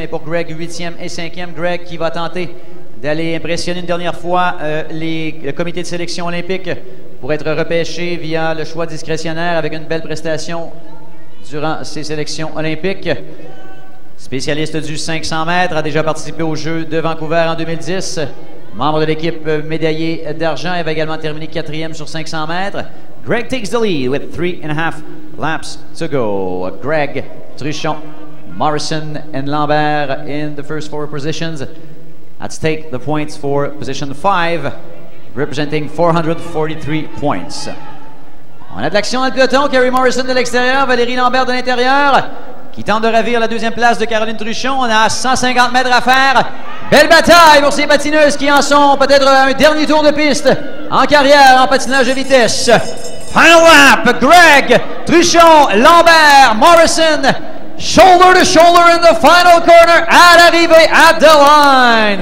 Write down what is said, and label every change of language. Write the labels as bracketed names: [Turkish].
[French] Et pour Gregg, 8e et 5e. Gregg qui va tenter d'aller impressionner une dernière fois le comité de sélection olympique pour être repêché via le choix discrétionnaire avec une belle prestation durant ses sélections olympiques. Spécialiste du 500 mètres, a déjà participé aux Jeux de Vancouver en 2010. Membre de l'équipe médaillée d'argent, elle va également terminer 4e sur 500 mètres. [English] Gregg takes the lead with 3.5 laps to go. Gregg, Truchon, Morrison and Lambert in the first four positions. Let's take the points for position 5, representing 443 points. [French] On a de l'action dans le peloton. Kerry Morrison de l'extérieur, Valérie Lambert de l'intérieur, qui tente de ravir la deuxième place de Caroline Truchon. On a 150 mètres à faire. Belle bataille pour ces patineuses qui en sont peut-être un dernier tour de piste en carrière en patinage de vitesse. [English] Final lap, Gregg, Truchon, Lambert, Morrison, shoulder to shoulder in the final corner, [French] à l'arrivée, [English] at the line.